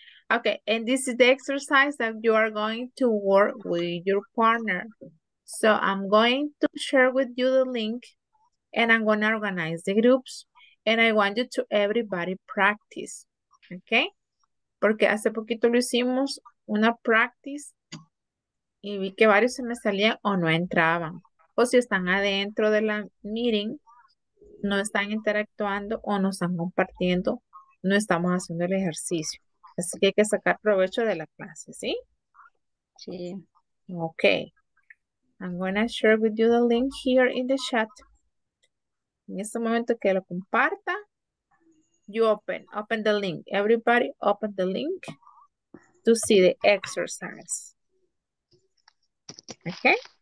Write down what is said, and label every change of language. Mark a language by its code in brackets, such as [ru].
[en] Okay, and this is the exercise that you are going to work with your partner. So I'm going to share with you the link and I'm going to organize the groups and I want you to everybody practice, okay? [es] Porque hace poquito lo hicimos una practice y vi que varios se me salían o no entraban. O si están adentro de la meeting, no están interactuando o no están compartiendo, no estamos haciendo el ejercicio. Así que hay que sacar provecho de la clase, ¿sí? Sí. [en] Okay. I'm gonna share with you the link here in the chat. [es] En este momento que lo comparta, [en] you open the link. Everybody open the link to see the exercise. Okay?